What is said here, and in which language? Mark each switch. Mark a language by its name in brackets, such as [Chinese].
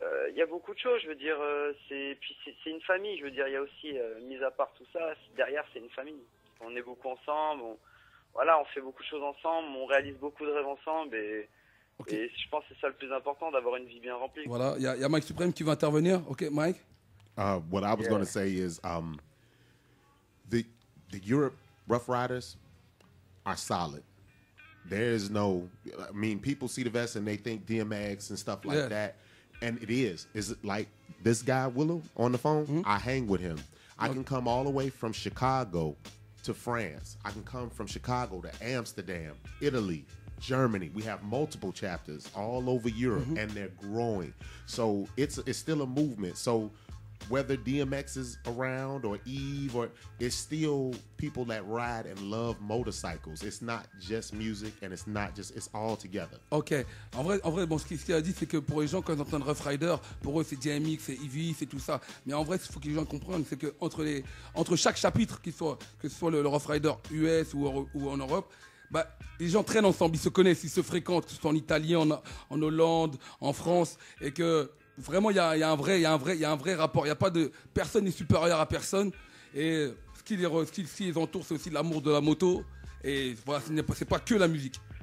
[French] Il y a beaucoup de choses, je veux dire. C'est une famille, je veux dire. Il y a aussi, mis à part tout ça, derrière, c'est une famille. On est beaucoup ensemble. On fait beaucoup de choses ensemble. On réalise beaucoup de rêves ensemble. Et je pense que c'est ça le plus important, d'avoir une vie bien remplie. Voilà, il y a Mike Supreme qui va intervenir. OK, Mike. [English] What I was going to say is the Europe Rough Riders are solid. People see the vest and they think DMX and stuff like that. And it is. Is it like this guy, Willow, on the phone? Mm-hmm. I hang with him. I can come all the way from Chicago to France. I can come from Chicago to Amsterdam, Italy, Germany. We have multiple chapters all over Europe, and they're growing. So it's still a movement. So whether DMX is around or Eve, or it's still people that ride and love motorcycles. It's not just music, and it's all together. Okay. [French] En vrai, bon, ce qu'il a dit, c'est que pour les gens, quand ils entendent Rough Rider, pour eux, c'est DMX, c'est Eve, c'est tout ça. Mais en vrai, ce qu'il faut que les gens comprennent, c'est que entre chaque chapitre, que ce soit le Rough Rider US ou en Europe, les gens traînent ensemble, ils se connaissent, ils se fréquentent, que ce soit en Italie, en Hollande, en France, et que vraiment il y a un vrai rapport. Il y a pas de personne n'est supérieur à personne, et ce qui les entoure, c'est aussi l'amour de la moto, et voilà, c'est pas que la musique.